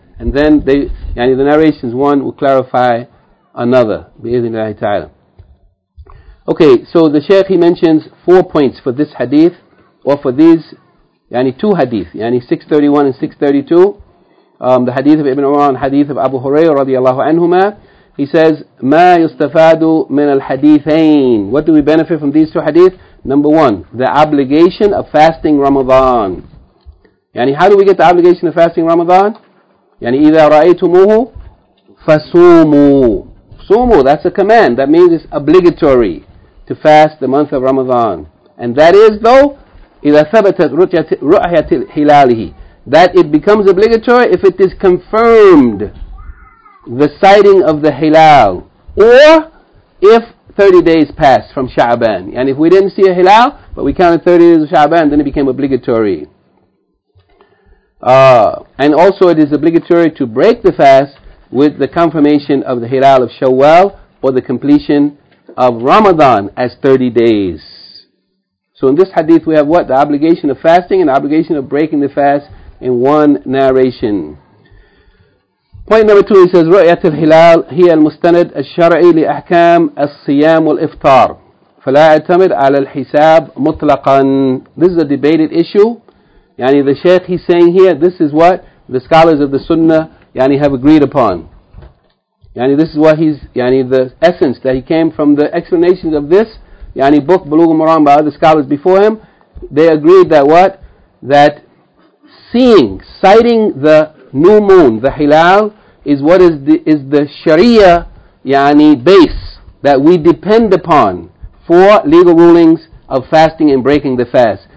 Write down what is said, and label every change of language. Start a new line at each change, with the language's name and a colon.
English: And then they, yani the narrations, one will clarify another,
Arabic: بإذن الله تعالى.
English: Okay, so the Shaykh, he mentions 4 points for this hadith, or for these, yani two hadith, yani 631 and 632, the hadith of Ibn Umar and hadith of Abu Hurairah radiallahu anhuma. He says,
Arabic: ما يستفاد من الحديثين.
English: What do we benefit from these two hadith? Number one, the obligation of fasting Ramadan. Yani how do we get the obligation of fasting Ramadan?
Arabic: Yani إذا رأيتموه فصوموا.
English: Sumu, that's a command. That means it's obligatory to fast the month of Ramadan. And that is, though,
Arabic: إِذَا ثَبَتَتْ رُؤْيَةِ الْحِلَالِهِ,
English: that it becomes obligatory if it is confirmed, the sighting of the hilal, or if 30 days pass from Sha'ban. And if we didn't see a hilal, but we counted 30 days of Sha'ban, then it became obligatory. And also it is obligatory to break the fast with the confirmation of the Hilal of Shawwal, or the completion of Ramadan as 30 days. So in this hadith we have what? The obligation of fasting and the obligation of breaking the fast in one narration. Point number two, he says,
Arabic: رؤية الهلال هي المستند الشرعي لأحكام الصيام والإفطار فلا يعتمد على الحساب مطلقا.
English: This is a debated issue. يعني the Shaykh, he's saying here, this is what the scholars of the Sunnah yani have agreed upon. Yani this is what he's, yani the essence that he came from the explanations of this yani book, Bulugh al-Maram, by other scholars before him. They agreed that what? That seeing, sighting the new moon, the hilal, is what is the sharia yani base that we depend upon for legal rulings of fasting and breaking the fast.